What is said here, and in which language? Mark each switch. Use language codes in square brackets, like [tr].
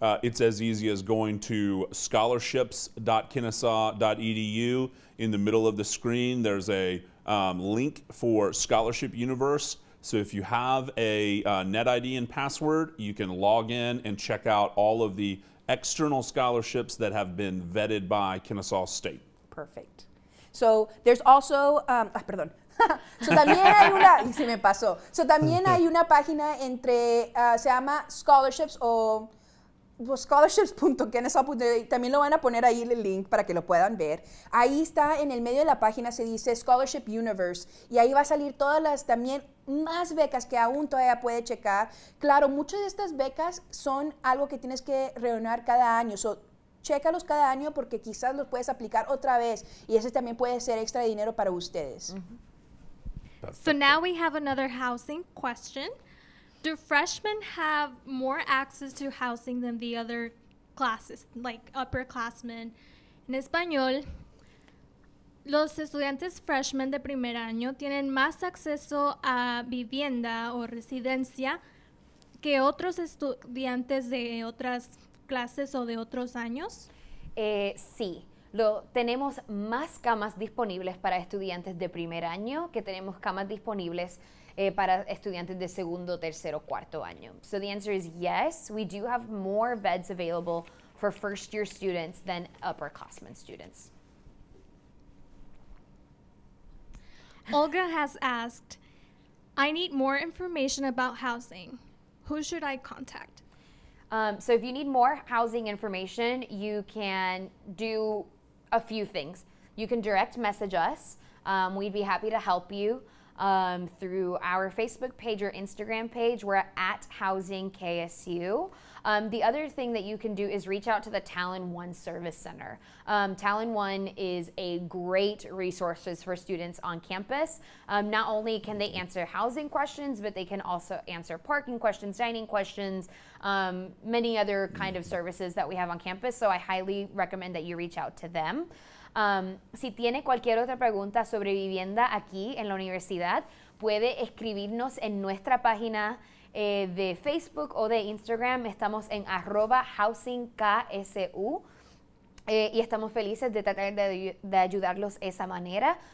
[en] It's as easy as going to scholarships.kennesaw.edu. In the middle of the screen, there's a link for Scholarship Universe. So if you have a NetID and password, you can log in and check out all of the external scholarships that have been vetted by Kennesaw State. Perfect. So there's also, [es] So también hay una, se me pasó. So también hay una página entre, se llama Scholarships o scholarships.kennesaw.edu. También lo van a poner ahí el link para que lo puedan ver. Ahí está en el medio de la página, se dice Scholarship Universe. Y ahí va a salir todas las también más becas que aún todavía puede checar. Claro, muchas de estas becas son algo que tienes que reunir cada año. So, chécalos cada año porque quizás los puedes aplicar otra vez. Y ese también puede ser extra dinero para ustedes. [en] So now we have another housing question. Do freshmen have more access to housing than the other classes, like upperclassmen? [es] En español, los estudiantes freshmen de primer año tienen más acceso a vivienda o residencia que otros estudiantes de otras clases o de otros años? Sí. Tenemos más camas disponibles para estudiantes de primer año que tenemos camas disponibles para estudiantes de segundo, tercero, cuarto año. [en] So the answer is yes, we do have more beds available for first year students than upperclassmen students. Olga has asked, I need more information about housing. Who should I contact? So if you need more housing information, you can do a few things. You can direct message us. We'd be happy to help you through our Facebook page or Instagram page. We're at HousingKSU. The other thing that you can do is reach out to the Talon One Service Center. Talon One is a great resource for students on campus. Not only can they answer housing questions, but they can also answer parking questions, dining questions, many other kind of services that we have on campus. So I highly recommend that you reach out to them. [es] Si tiene cualquier otra pregunta sobre vivienda aquí en la universidad, puede escribirnos en nuestra página de Facebook o de Instagram. Estamos en @housingksu y estamos felices de tratar de ayudarlos esa manera.